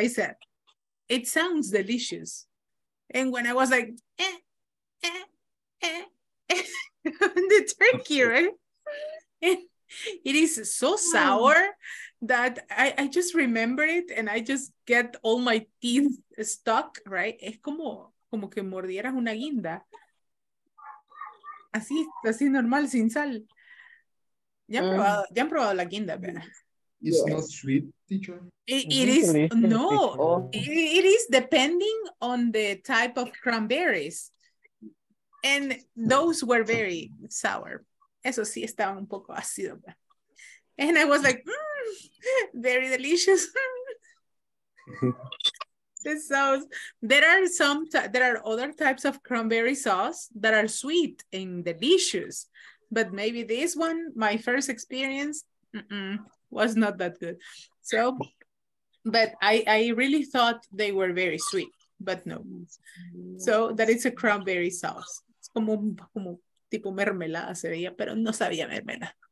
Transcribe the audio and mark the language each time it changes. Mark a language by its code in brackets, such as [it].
[en] I said, it sounds delicious. And when I was like, the turkey, right? It is so sour that I just remember it and I just get all my teeth stuck, right? [es] Es como que mordieras una guinda. Así normal, sin sal. ¿Ya han probado la guinda, ¿verdad? [en] It's not sweet, teacher. It is depending on the type of cranberries. And those were very sour. [es] Eso sí, estaba un poco ácido. [en] And I was like, very delicious. This sauce. There are other types of cranberry sauce that are sweet and delicious. But maybe this one, my first experience, was not that good. So, but I really thought they were very sweet, but no. So that is a cranberry sauce. [es] Como tipo mermelada se veía, pero no sabía mermelada.